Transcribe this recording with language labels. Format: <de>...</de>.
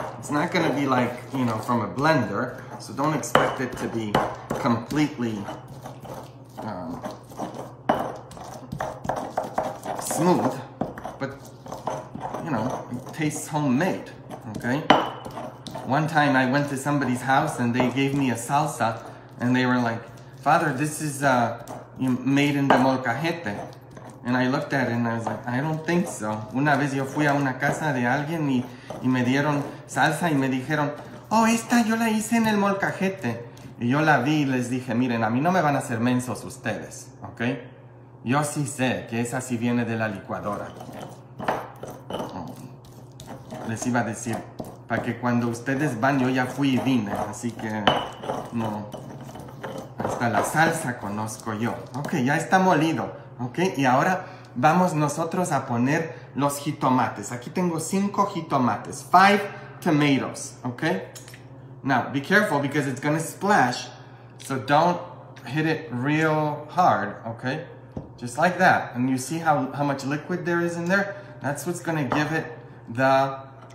<en>It's not gonna be like, you know, from a blender. So don't expect it to be completely smooth, but you know, it tastes homemade. Okay. One time I went to somebody's house and they gave me a salsa and they were like, Father, this is made in the molcajete. And I looked at it and I was like, I don't think so.</en> <es>Una vez yo fui a una casa de alguien y me dieron salsa y me dijeron, oh, esta yo la hice en el molcajete. Y yo la vi y les dije, miren, a mí no me van a hacer mensos ustedes, okay? Yo sí sé que esa sí viene de la licuadora. Les iba a decir, para que cuando ustedes van, yo ya fui y vine, así que, no, hasta la salsa conozco yo. Ok, ya está molido, ok, y ahora vamos nosotros a poner los jitomates. Aquí tengo 5 jitomates,</es> <en>5 tomatoes,</en> <es>ok.</es> <en>Now, be careful because it's gonna splash, so don't hit it real hard, ok. Just like that, and you see how much liquid there is in there? That's what's gonna give it the...</en>